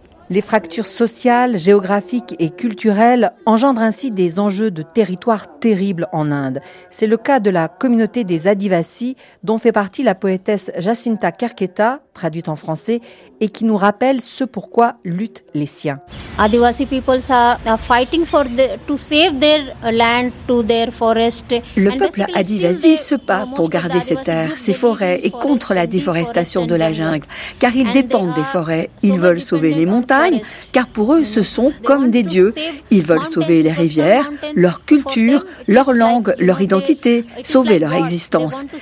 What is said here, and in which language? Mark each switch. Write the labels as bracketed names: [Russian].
[French] Les fractures sociales, géographiques et culturelles engendrent ainsi des enjeux de territoire terribles en Inde. C'est le cas de la communauté des Adivasis, dont fait partie la poétesse Jacinta Kerketa, traduite en français, et qui nous rappelle ce pourquoi luttent les siens. [English] Adivasi peoples are fighting for to save their land, to their forest. [French] Le peuple Adivasi se bat pour garder ses terres, ses forêts et contre la déforestation de la jungle, car ils dépendent des forêts. Ils veulent sauver les montagnes, car pour eux, ce sont comme des dieux. Ils veulent sauver les rivières, leur culture, leur langue, leur identité, sauver leur existence.